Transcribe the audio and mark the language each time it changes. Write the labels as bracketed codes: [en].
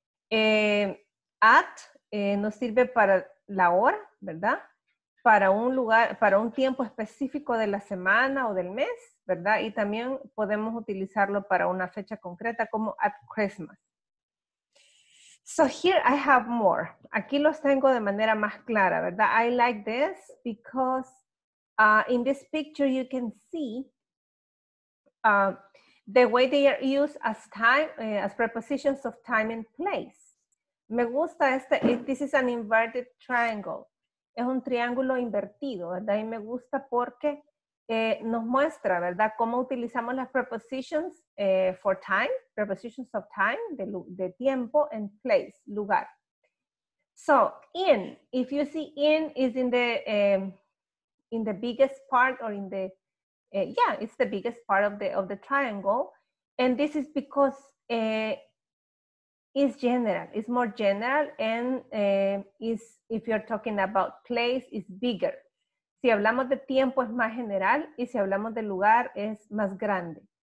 [es] At nos sirve para la hora, ¿verdad? Para un lugar, para un tiempo específico de la semana o del mes, ¿verdad? Y también podemos utilizarlo para una fecha concreta como [en] at Christmas. So here I have more. [es] Aquí los tengo de manera más clara, ¿verdad? [en] I like this because in this picture you can see The way they are used as time, as prepositions of time and place. [es] Me gusta este, [en] this is an inverted triangle. [es] Es un triángulo invertido, ¿verdad? Y me gusta porque nos muestra, ¿verdad? Cómo utilizamos las [en] prepositions for time, prepositions of time, de tiempo, and place, lugar. So, in, if you see in is in the biggest part or in the, yeah, it's the biggest part of the triangle. And this is because it's general, it's more general. And is if you're talking about place, it's bigger. [es] Si hablamos de tiempo es más general y si hablamos de lugar es más grande.